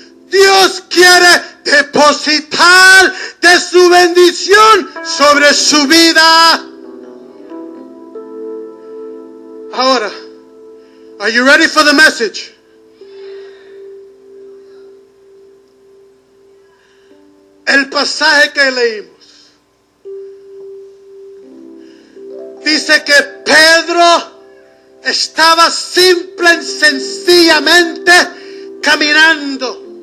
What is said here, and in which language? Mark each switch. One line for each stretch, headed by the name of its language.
Spanish: Dios quiere depositar de su bendición sobre su vida.
English: Ahora, are you ready for the message?
Spanish: El pasaje que leímos dice que Pedro estaba simple y sencillamente caminando.